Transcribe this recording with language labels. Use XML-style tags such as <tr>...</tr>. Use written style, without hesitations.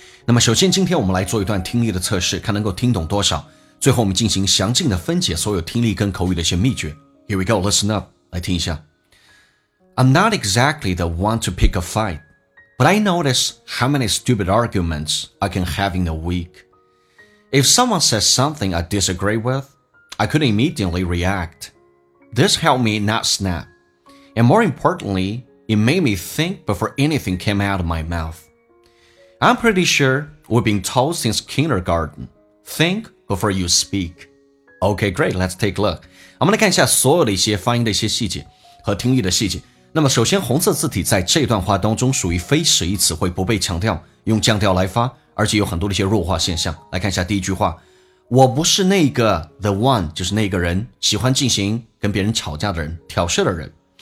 <zh>那么首先今天我们来做一段听力的测试，看能够听懂多少，最后我们进行详尽的分解所有听力跟口语的一些秘诀。</zh> <en>Here we go, listen up,</en> <zh>来听一下。</zh> <en>I'm not exactly the one to pick a fight, but I notice how many stupid arguments I can have in a week. If someone says something I disagree with, I could immediately reactThis helped me not snap, and more importantly, it made me think before anything came out of my mouth. I'm pretty sure we've been told since kindergarten, think before you speak. Okay, great, let's take a look.</en> <zh>我们来看一下所有的一些发音的一些细节和听力的细节。那么首先红色字体在这段话当中属于非实义词汇，不被强调，用降调来发，而且有很多的一些弱化现象。来看一下第一句话，我不是那个 the one， 就是那个人喜欢进行跟别人吵架的人，挑事的人。</zh>